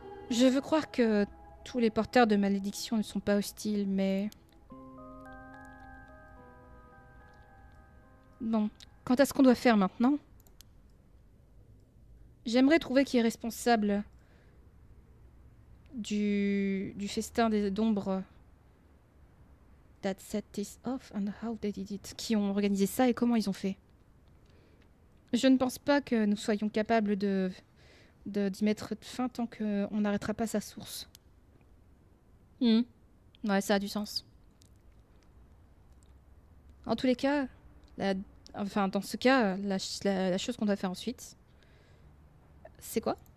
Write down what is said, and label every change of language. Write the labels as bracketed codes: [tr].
[fr] Je veux croire que tous les porteurs de malédictions ne sont pas hostiles, mais... Bon, quant à ce qu'on doit faire maintenant... J'aimerais trouver qui est responsable du festin d'ombres. [en] That set this off and how they did it. [fr] Qui ont organisé ça et comment ils ont fait. Je ne pense pas que nous soyons capables d'y mettre fin tant qu'on n'arrêtera pas sa source. Ouais, ça a du sens. En tous les cas, dans ce cas, la chose qu'on doit faire ensuite... C'est quoi?